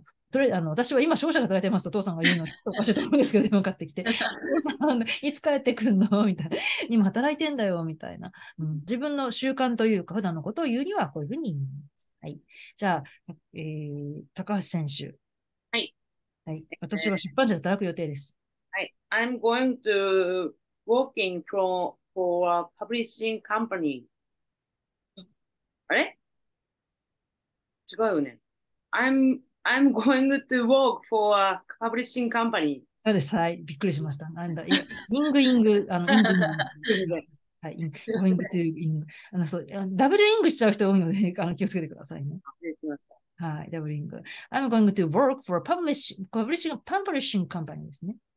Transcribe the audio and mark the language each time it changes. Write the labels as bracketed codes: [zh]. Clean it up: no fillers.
[ja] とりあえずあの私は今商社が働いてますとお父さんが言うのおかしいと思うんですけど、電話かかってきて、お父さんいつ帰ってくるのみたいな、今働いてんだよみたいな、うん、自分の習慣というか普段のことを言うにはこういうふうに言います。はい、じゃあ、高橋選手、はい、はい、私は出版社で働く予定です。はい、 [en] I'm going to working for a publishing company。 [ja] あれ違うよね。 [en] I'm going to work for a publishing company。 [ja] そうです、はい、びっくりしました。なんだ、イングイング、あのイングイングです、ね。はい、イングイングとイング、あのそう、ダブルイングしちゃう人多いので、あの気をつけてくださいね。はい、ダブルイング。 [en] I'm going to work for a publishing company [ja] ですね。